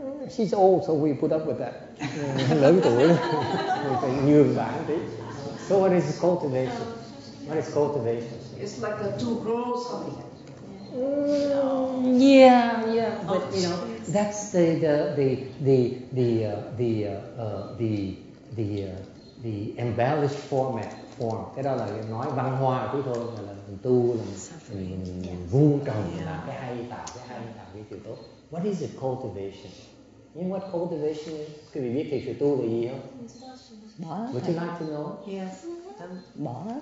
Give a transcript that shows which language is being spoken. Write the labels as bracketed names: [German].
[English] She's old, so we put up with that. [Vietnamese] Lớn tuổi, mình phải nhường bản tí. [English] So what is cultivation? What is cultivation? It's like a to grow something. Yeah. But you know, that's the embellished format form. [Vietnamese] Cái đó là nói văn hoa chứ thôi, là mình tu, là mình vun trồng, là cái hay tạo cái chuyện tốt. [English] What is it, cultivation? You know what cultivation is? [Vietnamese] Quý vị biết cái chuyện tu là gì không? [English] Would you like to know? Yes.